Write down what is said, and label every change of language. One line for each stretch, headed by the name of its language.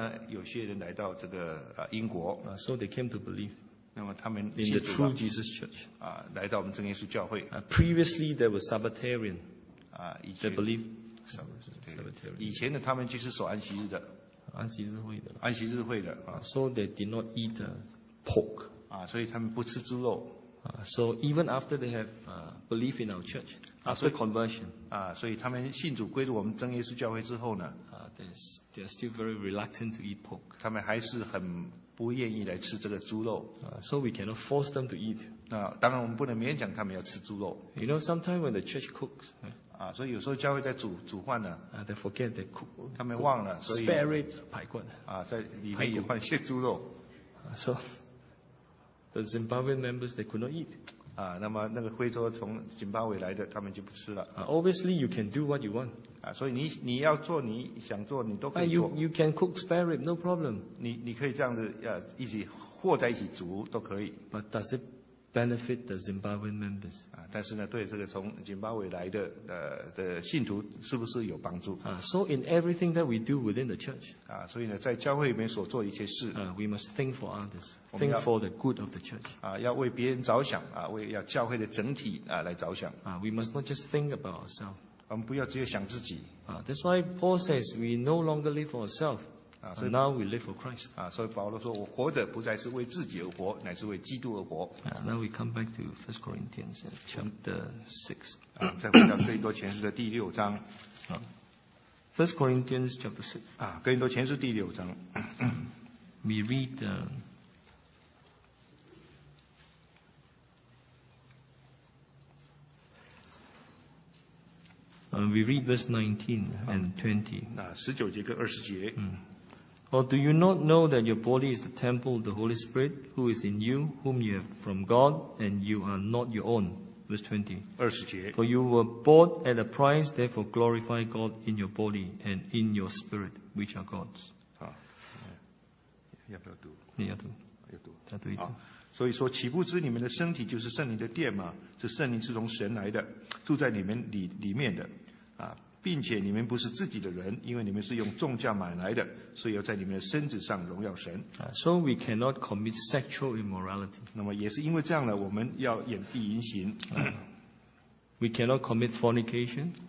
Chinese: 那么从这个国家呢，有些人来到这个英国。
English: So they came to believe.
Chinese: 那么他们
English: in the true Jesus Church.
Chinese: 来到我们真耶稣教会。
English: Previously there were Sabbatarian. They believe. Sabbatarian.
Chinese: 以前呢，他们就是守安息日的。安息日会的。
English: So they did not eat pork.
Chinese: 所以他们不吃猪肉。
English: So even after they have belief in our church, after conversion,
Chinese: 所以他们信主归入我们真耶稣教会之后呢,
English: they are still very reluctant to eat pork.
Chinese: 他们还是很不愿意来吃这个猪肉。
English: So we cannot force them to eat.
Chinese: 当然我们不能勉强他们要吃猪肉。
English: You know, sometimes when the church cooks,
Chinese: 所以有时候教会在煮饭呢,
English: they forget they cook.
Chinese: 他们忘了,
English: spare rib, 排骨,
Chinese: 在里面有换些猪肉。
English: So the Zimbabwean members, they could not eat.
Chinese: 那么那个徽州从津巴维来的，他们就不吃了。
English: Obviously, you can do what you want.
Chinese: 所以你要做你想做，你都可以做。You
English: can cook spare rib, no problem.
Chinese: 你可以这样子一起和在一起煮都可以。But
English: does it benefit the Zimbabwean members?
Chinese: 但是呢，对这个从津巴维来的信徒是不是有帮助？
English: So in everything that we do within the church,
Chinese: 所以呢，在教会里面所做一些事,
English: we must think for others, think for the good of the church.
Chinese: 要为别人着想，为要教会的整体来着想。
English: We must not just think about ourselves.
Chinese: 我们不要只有想自己。
English: That's why Paul says we no longer live for ourselves. And now we live for Christ.
Chinese: 所以保罗说，我活着不再是为自己而活，乃是为基督而活。
English: Now we come back to 1 Corinthians chapter 6.
Chinese: 再回到哥林多前书的第六章。
English: 1 Corinthians chapter 6.
Chinese: 哥林多前书第六章。
English: We read verse 19 and 20.
Chinese: 19节跟20节。
English: Or do you not know that your body is the temple of the Holy Spirit, who is in you, whom you have from God, and you are not your own? Verse 20.
Chinese: 20节.
English: For you were bought at a price, therefore glorify God in your body and in your spirit, which are God's.
Chinese: 要不要读？你要读。所以说，岂不知你们的身体就是圣灵的殿吗？是圣灵是从神来的，住在你们里面的。并且你们不是自己的人，因为你们是用重价买来的，所以要在你们的身子上荣耀神。
English: So we cannot commit sexual immorality.
Chinese: 那么也是因为这样呢，我们要掩蔽淫行。
English: We cannot commit fornication.